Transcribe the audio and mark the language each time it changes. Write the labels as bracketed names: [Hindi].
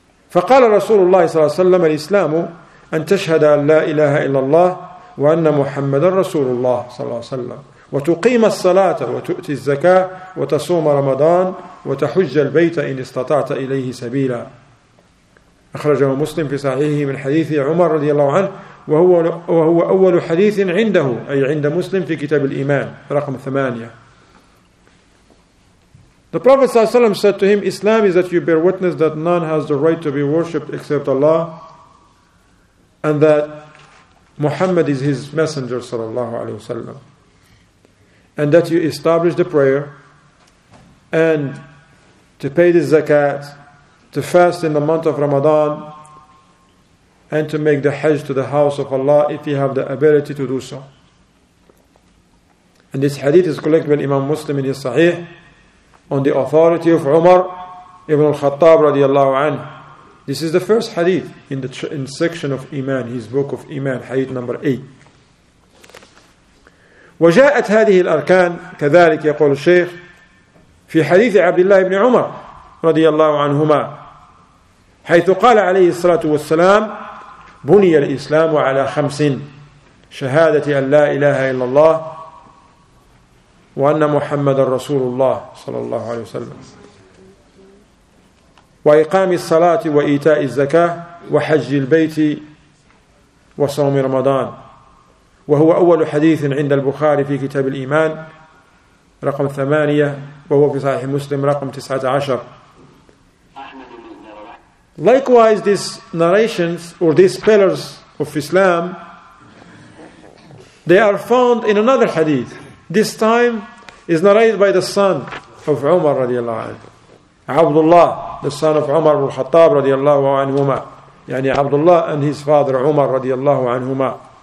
[Arabic] فقال رسول الله صلى الله عليه وسلم الإسلام أن تشهد أن لا إله إلا الله وأن محمد رسول الله صلى الله عليه وسلم وتقيم الصلاة وتؤتي الزكاة وتصوم رمضان وتحج البيت إن استطعت إليه سبيلا. أخرجه مسلم في صحيحه من حديث عمر رضي الله عنه وهو أول حديث عنده أي عند مسلم في كتاب الإيمان رقم 8. [English] The Prophet [Arabic] صلى الله عليه وسلم [English] said to him, Islam is that you bear witness that none has the right to be worshipped except Allah and that Muhammad is his messenger صلى الله عليه وسلم. And that you establish the prayer and to pay the zakat, to fast in the month of Ramadan, and to make the hajj to the house of Allah if you have the ability to do so. And this hadith is collected by Imam Muslim in his Sahih on the authority of Umar ibn al-Khattab radiallahu anhu. This is the first hadith in section of Iman, his book of Iman, hadith number 8. [Arabic] وجاءت هذه الأركان كذلك يقول الشيخ في حديث عبد الله بن عمر رضي الله عنهما حيث قال عليه الصلاة والسلام بني الإسلام على 5: شهادة أن لا إله إلا الله وأن محمد رسول الله صلى الله عليه وسلم وإقام الصلاة وإيتاء الزكاة وحج البيت وصوم رمضان وهو أول حديث عند البخاري في كتاب الإيمان رقم 8 وهو في صحيح مسلم رقم 19. [English] Likewise, these narrations or these pillars of Islam, they are found in another hadith. This time is narrated by the son of Umar radiallahu anhu, Abdullah, the son of Umar ibn al-Khattab radiallahu anhuma, yani Abdullah and his father Umar radiallahu anhuma.